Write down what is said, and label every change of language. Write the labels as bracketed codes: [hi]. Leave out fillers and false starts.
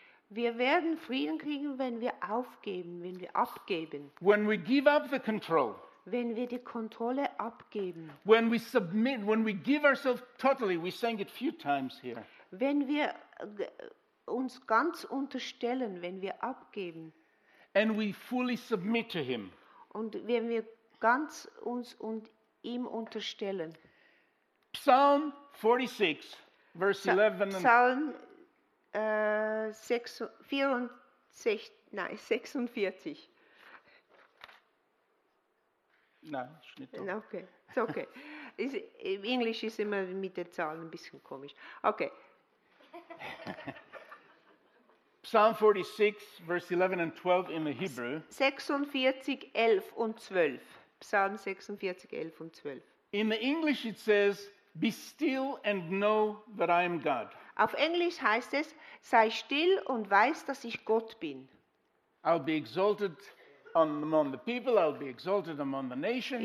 [de] Wir werden Frieden kriegen, wenn wir aufgeben, wenn wir abgeben. [en] When we give up the control. [de] Wenn wir die Kontrolle abgeben. [en] When we submit, when we give ourselves totally, we sang it a few times here. [de] Wenn wir uns ganz unterstellen, wenn wir abgeben. [en] And we fully submit to him. [de] Und wenn wir ganz uns und ihm unterstellen. [en] Psalm 46 Verse 11 and [de] Psalm 46. Nein, ist nicht okay, [en] it's okay. [de] Im Englisch ist immer mit den Zahlen ein bisschen komisch. Okay. [en] Psalm 46, verse 11 and 12 in the Hebrew. [de] 46, 11 und 12. Psalm 46, 11 und 12. [en] In the English it says, be still and know that I am God. [de] Auf Englisch heißt es, sei still und weiß, dass ich Gott bin. [en] I'll be exalted among the people, I'll be exalted among the nations.